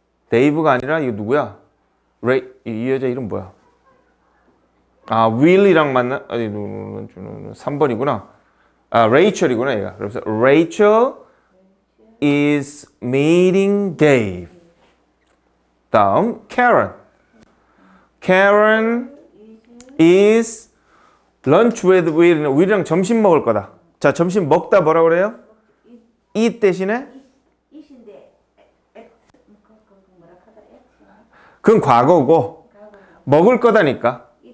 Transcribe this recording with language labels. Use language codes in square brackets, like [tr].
[ko] Dave가 아니라 이거 누구야? Ray, 이 여자 이름 뭐야? 아, 윌리랑 만나, 아니, 3번이구나. 아, 레이첼이구나, 얘가. 그래서, [en] Rachel is meeting Dave. [ko] 다음, [en] Karen. Karen is lunch with Will. [ko] Will이랑 점심 먹을 거다. 자, 점심 먹다 뭐라 그래요? eat 대신에? eat인데, 그건 과거고, 먹을 거다니까.